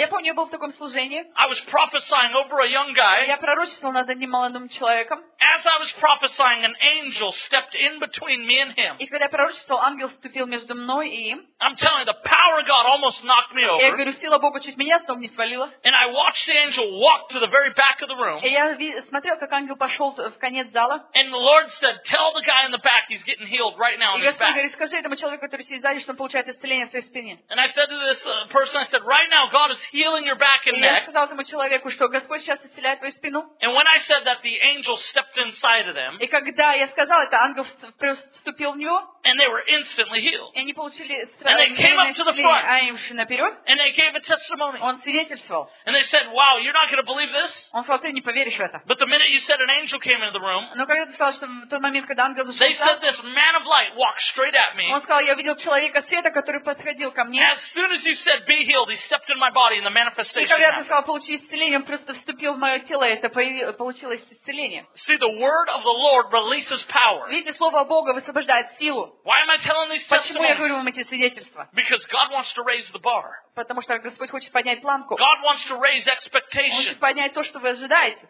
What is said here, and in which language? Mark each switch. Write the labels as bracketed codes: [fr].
[ru] Я помню, я был в таком служении. [en] I was prophesying over a young guy. [ru] Я пророчествовал над одним молодым человеком. [en] as I was prophesying, an angel stepped in between me and him. [ru] И когда пророчествовал, ангел вступил между мной и им. [en] I'm telling you, the power of God almost knocked me over. [ru] Я говорю, сила Бога чуть меня с ног не свалила. [en] And I watched the angel walk to the very back of the room. [ru] И я смотрел, как ангел пошел в конец зала. [en] And the Lord said, "Tell the guy in the back he's getting healed right now in his back." [ru] И Господь говорит, скажи этому человеку, который сидит сзади, что он получает исцеление в своей спине. [en] And I said to this person, I said, "Right now, God is healing your back and neck." [ru] И я сказал этому человеку, что Господь сейчас исцеляет твою спину. [en] And when I said that, the angel stepped inside of them. [ru] И когда я сказал это, ангел вступил в него. [en] And they were instantly healed. [ru] И они получили исцеление. [en] And they came up to the front. [ru] А им шли наперед. [en] And they gave a testimony. [ru] Он свидетельствовал. [en] And they said, "Wow, you're not going to believe this." [ru] Он сказал, ты не поверишь в это. [en] But the minute you said an angel came into the room. [ru] Но когда ты сказал, что в тот момент, когда ангел вступил. [en] They said this man of light walked straight at me. [ru] Он сказал, я видел человека света, который подходил ко мне. [en] As soon as you said be healed, he stepped in my body in the manifestation. [ru] И когда ты сказал получи исцеление, он просто вступил в мое тело, и это получилось исцеление. [en] See, the word of the Lord releases power. [ru] Видите, слово Бога высвобождает силу. [en] Why am I telling these testimonies? [ru] Почему я говорю вам эти свидетельства? [en] Because God wants to raise the bar. [ru] Потому что Господь хочет поднять планку. [en] God wants to raise expectation. [ru] Он хочет поднять то, что вы ожидаете.